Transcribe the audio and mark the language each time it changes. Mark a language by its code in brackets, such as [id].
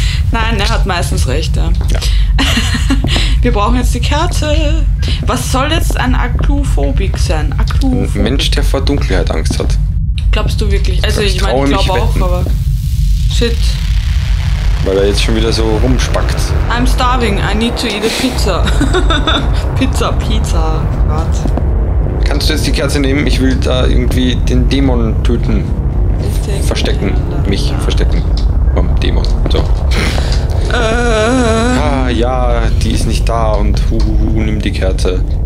[de] Nein, er hat meistens recht, ja. Ja. Wir brauchen jetzt die Kerze. Was soll jetzt ein Akluphobik sein? Akluphobik. Ein Mensch, der vor Dunkelheit Angst hat. Glaubst du wirklich? Also ich meine, ich glaube auch, aber... Shit. Weil er jetzt schon wieder so rumspackt. [en] I'm starving, I need to eat a pizza. [de] Pizza. Gott. Kannst du jetzt die Kerze nehmen? Ich will da irgendwie den Dämon töten. Verstecken. Mich verstecken. Vom Dämon. So. Ja, die ist nicht da und nimm die Kerze.